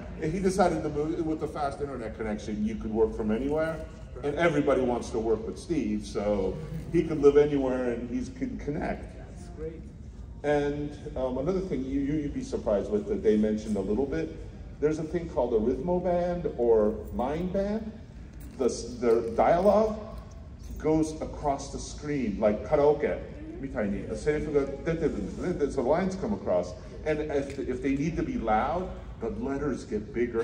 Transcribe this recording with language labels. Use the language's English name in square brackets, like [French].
[English] And he decided to move with the fast internet connection, you could work from anywhere, and everybody wants to work with Steve, so he could live anywhere and he can connect. That's great. And another thing you'd be surprised with that they mentioned a little bit, there's a thing called a rhythmo band or mind band. The dialogue goes across the screen, like karaoke. [Japanese] みたいにセリフが出てるんですね。 [English] So lines come across. And if they need to be loud, the letters get bigger.